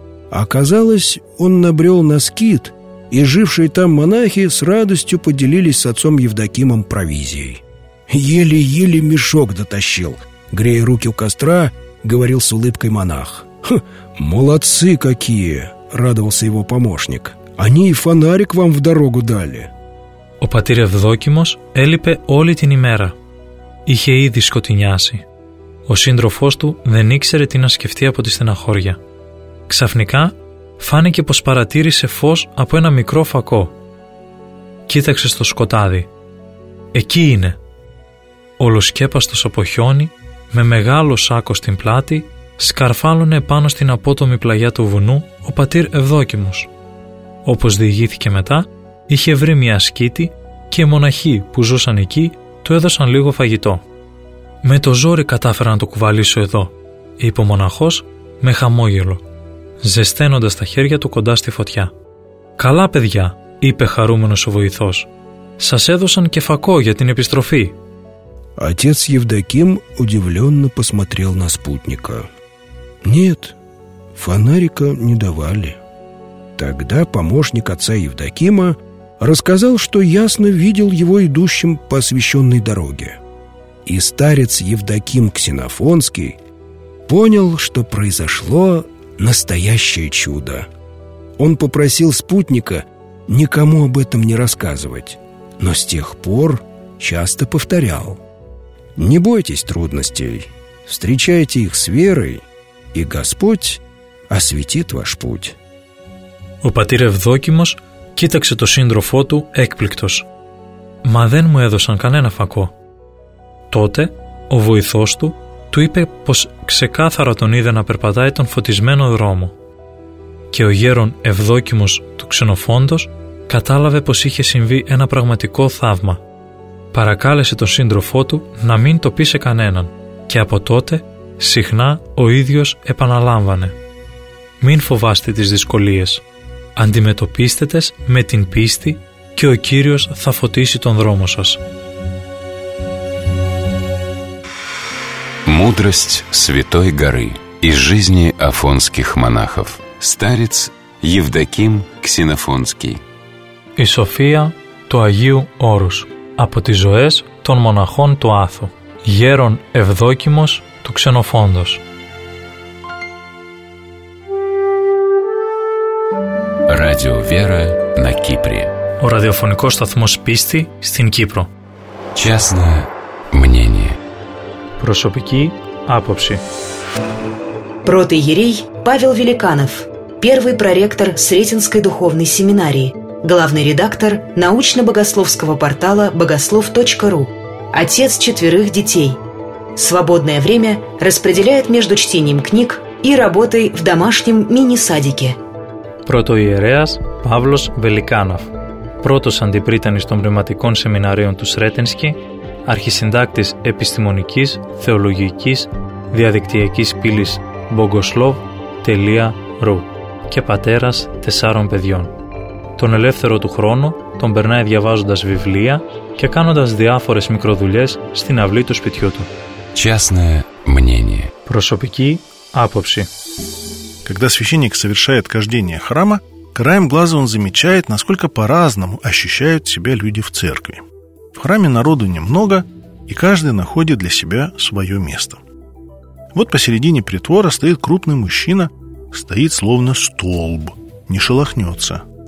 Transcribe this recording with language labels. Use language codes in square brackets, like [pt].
[ru] Оказалось, он набрел на скит, и жившие там монахи с радостью поделились с отцом Евдокимом провизией. «Еле-еле мешок дотащил», — грея руки у костра, говорил с улыбкой монах. «Молодцы какие!» — радовался его помощник. «Они и фонарик вам в дорогу дали». [el] Ο πατήρ Ευδόκιμος έλειπε όλη την ημέρα. Είχε ήδη σκοτεινιάσει. Ο σύντροφός του δεν ήξερε τι να σκεφτεί από τη στεναχώρια. Ξαφνικά φάνηκε πως παρατήρησε φως από ένα μικρό φακό. Κοίταξε στο σκοτάδι. Εκεί είναι. Ολοσκέπαστος από χιόνι, με μεγάλο σάκο στην πλάτη, σκαρφάλωνε πάνω στην απότομη πλαγιά του βουνού ο πατήρ Ευδόκιμος. Όπως διηγήθηκε μετά, είχε βρει μια σκήτη και οι μοναχοί που ζούσαν εκεί του έδωσαν λίγο φαγητό. «Με το ζόρι κατάφερα να το κουβαλήσω εδώ», είπε ο μοναχός με χαμόγελο, ζεσταίνοντας τα χέρια του κοντά στη φωτιά. «Καλά παιδιά», είπε χαρούμενος ο βοηθός. «Σας έδωσαν και φακό για την επιστροφή». [ru] Отец Евдоким удивленно посмотрел на спутника. «Нет, фонарика не давали». Тогда помощник отца Евдокима рассказал, что ясно видел его идущим по освещенной дороге. И старец Евдоким Ксенофонский понял, что произошло настоящее чудо. Он попросил спутника никому об этом не рассказывать, но с тех пор часто повторял: «Не бойтесь трудностей, встречайте их с верой, и Господь осветит ваш путь». [el] Ο πατήρ Ευδόκιμος κοίταξε το σύντροφό του έκπληκτος. «Μα δεν μου έδωσαν κανένα φακό». Τότε ο βοηθός του του είπε πως ξεκάθαρα τον είδε να περπατάει τον φωτισμένο δρόμο. Και ο γέρον Ευδόκιμος του Ξενοφόντος κατάλαβε πως είχε συμβεί ένα πραγματικό θαύμα. Παρακάλεσε τον σύντροφό του να μην το πει σε κανέναν και από τότε συχνά ο ίδιος επαναλάμβανε: «Μην φοβάστε τις δυσκολίες. Αντιμετωπίστε τες με την πίστη και ο Κύριος θα φωτίσει τον δρόμο σας». [ru] Мудрость Святой Горы из жизни афонских монахов. Старец Евдоким Ксенофонский. [el] Η Σοφία του Αγίου Όρους από τις ζωές των μοναχών του Άθου. Γέρον Ευδόκιμος του Ξενοφόντος. [ru] Radio Vera на Кипре. [el] Ο ραδιοφωνικός σταθμός πίστη στην Κύπρο. [ru] Честное мнение. [el] Προσωπική άποψη. Πρώτη Ιερέй [ru] Павел Великанов. Первый проректор Сретенской духовной семинарии. Главный редактор научно-богословского портала богослов.ру. Отец четверых детей. Свободное время распределяет между чтением книг и работой в домашнем мини-садике. [el] Πρωτοϊερέας Παύλος Βελικάνοφ, πρώτος αντιπρίτανης των πνευματικών σεμιναρίων του Σρέτενσκι, αρχισυντάκτης επιστημονικής, θεολογικής, διαδικτυακής πύλης bogoslov.ru και πατέρας τεσσάρων παιδιών. Τον ελεύθερο του χρόνο τον περνάει διαβάζοντας βιβλία και κάνοντας διάφορες μικροδουλειές στην αυλή του σπιτιού του. [ru] Частное мнение. [el] Προσωπική άποψη. [ru] Когда священник совершает кождение храма, краем глаза он замечает, насколько по-разному ощущают себя люди в церкви. В храме народу немного, и каждый находит для себя свое место. Вот посередине притвора стоит крупный мужчина, стоит словно столб, не шелохнется.